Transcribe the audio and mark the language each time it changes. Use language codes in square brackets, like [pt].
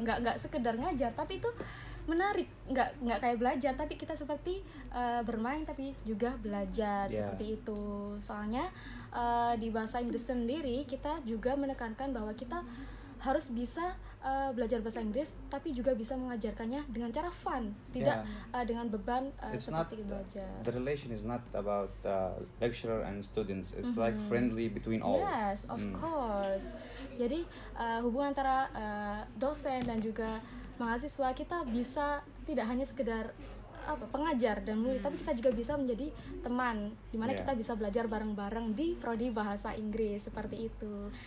[id] Nggak sekedar ngajar, tapi itu menarik. Nggak kayak belajar, tapi kita seperti bermain tapi juga belajar seperti itu. Soalnya di bahasa Inggris sendiri kita juga menekankan bahwa kita harus bisa belajar bahasa Inggris tapi juga bisa mengajarkannya dengan cara fun, tidak dengan beban seperti belajar. [en] The relation is not about lecturer and students, it's like friendly between all. Yes, of course. [id] Jadi hubungan antara dosen dan juga mahasiswa, kita bisa tidak hanya sekedar pengajar dan murid, tapi kita juga bisa menjadi teman di mana kita bisa belajar bareng-bareng di prodi bahasa Inggris seperti itu.